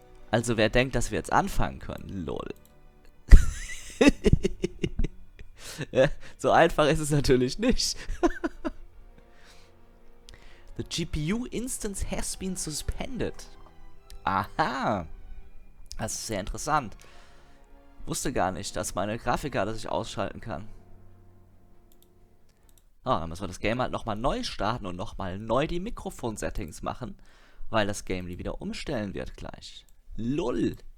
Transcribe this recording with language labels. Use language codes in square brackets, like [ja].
[de] Also wer denkt, dass wir jetzt anfangen können? Lol. So einfach ist es natürlich nicht. [en] The GPU instance has been suspended. Aha. [de] Das ist sehr interessant. Wusste gar nicht, dass meine Grafikkarte sich ausschalten kann. Ah, dann müssen wir das Game halt nochmal neu starten und nochmal neu die Mikrofon-Settings machen, weil das Game die wieder umstellen wird gleich. Lull.